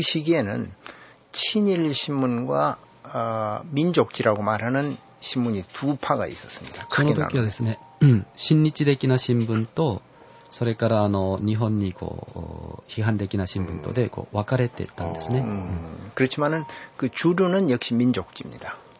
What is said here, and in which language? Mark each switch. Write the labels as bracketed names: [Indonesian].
[Korean] 시기에는 친일 신문과 민족지라고 말하는 신문이 두 파가 있었습니다. [Japanese] その時はですね、親日的な新聞とそれから日本に批判的な新聞とで分かれていたんですね。 [Korean] 그렇지만은 그 주류는 역시 민족지입니다.